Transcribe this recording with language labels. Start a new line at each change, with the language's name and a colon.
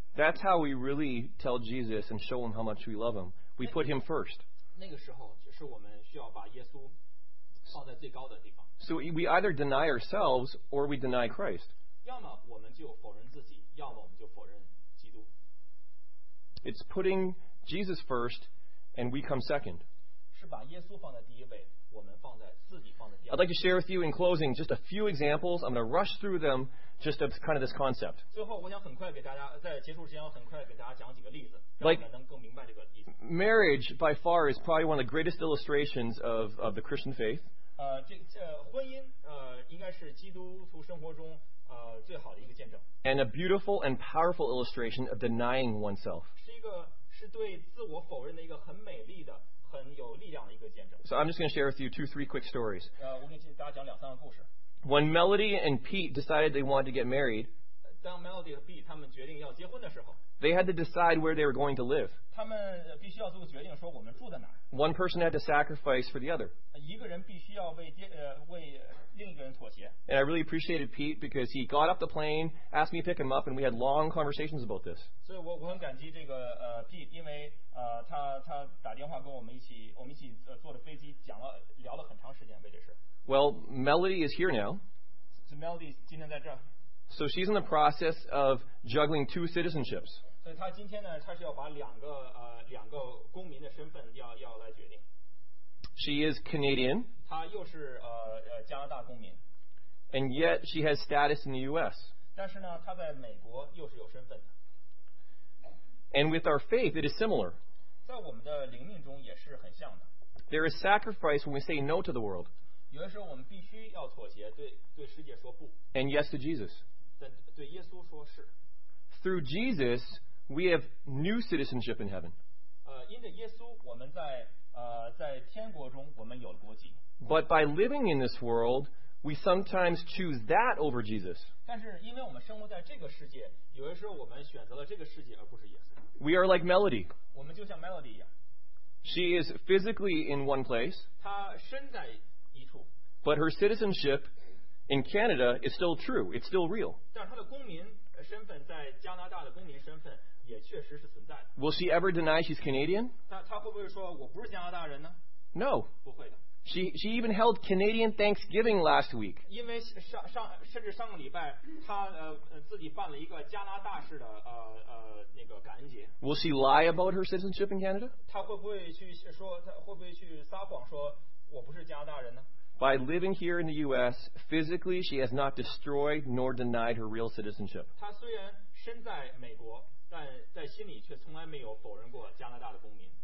English: ，That's how we really tell Jesus and show him how much we love him. We put him first.
Chinese: 那个时候就是我们需要把耶稣放在最高的地方。
English: So we either deny ourselves or we deny Christ.
Chinese: 要么我们就否认自己，要么我们就否认基督。
English: It's puttingJesus first, and we come second.
Chinese: 是把耶稣放在第一位，我们放在自己放在第二位。
English: I'd like to share with you in closing just a few examples. I'm going to rush through them, just of kind of this concept.
Chinese: 最后，我想很快给大家在结束之前，我很快给大家讲几个例子，让我们能更明白这个意思。
English: Marriage by far is probably one of the greatest illustrations of the Christian faith.
Chinese: 这婚姻应该是基督徒生活中。最好的一个见证。
English: And a beautiful and powerful illustration of denying oneself.
Chinese: 是对自我否认的一个很美丽的、很有力量的一个见证。
English: So I'm just going to share with you two, three quick stories.
Chinese: 我给大家讲两三个故事。
English: When Melody and Pete decided they wanted to get married,
Chinese: 当 Melody 和 Pete 他们决定要结婚的时候
English: ，they had to decide where they were going to live.
Chinese: 他们必须要做个决定，说我们住在哪儿。
English: One person had to sacrifice for the other.
Chinese: 一个人必须要为另一个人妥协。
English: And I really appreciated Pete because he got off the plane, asked me to pick him up, and we had long conversations about this.
Chinese: 所以我很感激这个Pete， 因为他打电话跟我们一起坐的飞机，聊了很长时间为这事。
English: Well, Melody is here now.
Chinese: So Melody 今天在这儿。
English: So she's in the process of juggling two citizenships.
Chinese: 所以她今天呢，她是要把两个公民的身份要来决定。
English: She is Canadian.
Chinese: 她又是加拿大公民。
English: And yet she has status in the U.S.
Chinese: 但是呢，她在美国又是有身份的。
English: And with our faith, it is similar.
Chinese: 在我们的灵命中也是很像的。
English: There is sacrifice when we say no to the world.
Chinese: 有的时候我们必须要妥协，对对世界说不。
English: And yes to Jesus.
Chinese: 但对耶稣说是。
English: Through Jesus, we have new citizenship in heaven.
Chinese: 因着耶稣，我们在在天国中，我们有了国籍。
English: But by living in this world, we sometimes choose that over Jesus.
Chinese: 但是因为我们生活在这个世界，有的时候我们选择了这个世界而不是耶稣。
English: We are like Melody.
Chinese: 我们就像 Melody 一样。
English: She is physically in one place.
Chinese: 她身在一处。
English: But her citizenship in Canada is still true. It's still real.
Chinese: 但是她的公民身份在加拿大的公民身份也确实是存在的。
English: Will she ever deny she's Canadian?
Chinese: 她会不会说我不是加拿大人呢？
English: No.
Chinese: 不会的。
English: She even held Canadian Thanksgiving last week.
Chinese: 因为甚至上个礼拜，她自己办了一个加拿大式的那个感恩节。
English: Will she lie about her citizenship in Canada?
Chinese: 她会不会去说，她会不会去撒谎说我不是加拿大人呢？
English: By living here in the U.S., physically she has not destroyed nor denied her real citizenship.
Chinese: 她虽然身在美国，但在心里却从来没有否认过加拿大的公民。